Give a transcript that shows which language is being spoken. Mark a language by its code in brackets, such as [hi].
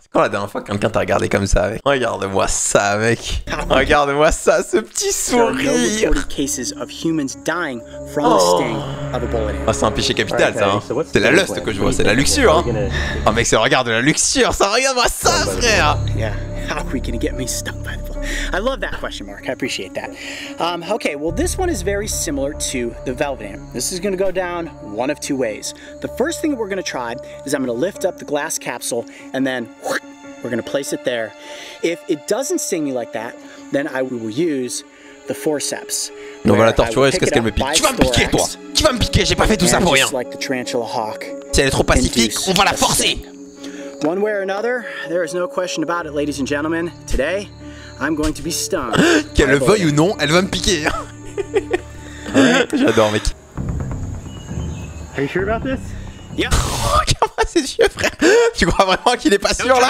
[fr] C'est quand la dernière fois que quelqu'un t'a regardé comme ça, mec? Regarde-moi ça, mec. Regarde-moi ça, ce petit sourire. Oh, c'est un péché capital, ça, hein. C'est la lust que je vois, c'est la luxure, hein. Oh mec, c'est le regard de la luxure, ça, regarde-moi ça, frère. [en] Yeah, how are we gonna get me stung by the bullet? I love that question, Mark. I appreciate that. Okay, well, this one is very similar to the Velvet Amp. This is going to go down one of two ways. The first thing that we're going to try is I'm going to lift up the glass capsule, and then we're going to place it there. If it doesn't sting me like that, then I will use the forceps. [fr] On va la torturer jusqu'à ce qu'elle me pique. Tu vas me piquer, toi. Tu vas me piquer. J'ai pas fait tout ça pour rien. [en] Like the tarantula hawk. [fr] Si elle est trop pacifique, on va la forcer. [en] One way or another, there is no question about it, ladies and gentlemen. Today, I'm going to be stung. [fr] Qu'elle le veuille ou non, elle va me piquer. J'adore, mec. [en] Are you sure about this? Yeah. [fr] Regarde-moi ses yeux, frère. Tu crois vraiment qu'il est pas sûr là?